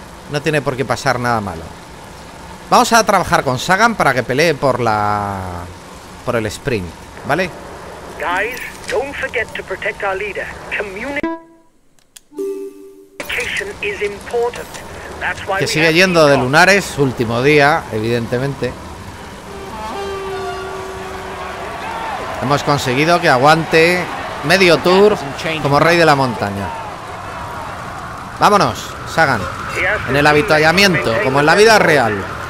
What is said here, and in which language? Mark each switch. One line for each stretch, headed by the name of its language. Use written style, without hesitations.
Spanish: No tiene por qué pasar nada malo. Vamos a trabajar con Sagan para que pelee por la... por el sprint, ¿vale?
English: Guys, don't forget to protect our leader. Communication is important. That's why
Spanish: que sigue yendo de lunares, último día, evidentemente. Hemos conseguido que aguante medio tour como rey de la montaña. Vámonos, Sagan. En el avituallamiento, como en la vida real.